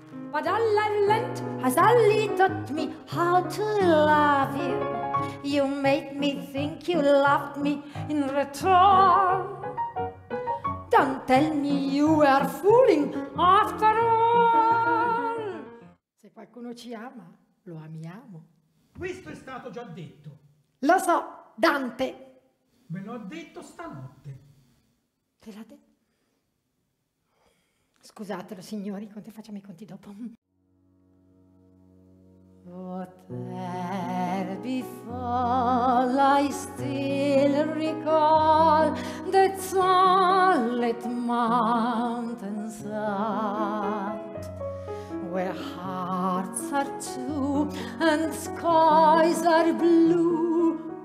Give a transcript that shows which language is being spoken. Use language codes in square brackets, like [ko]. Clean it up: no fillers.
[en] But all I've learned has only taught me how to love you. You made me think you loved me in return. Don't tell me you are fooling after all. [it] Se qualcuno ci ama, lo amiamo. Questo è stato già detto. Lo so, Dante. Me lo ha detto stanotte. Te l'ha detto? Scusatelo, signori, conti, facciamo i conti dopo. [en] Whatever befall, I still recall the sunlit mountainside, where hearts are true and skies are blue.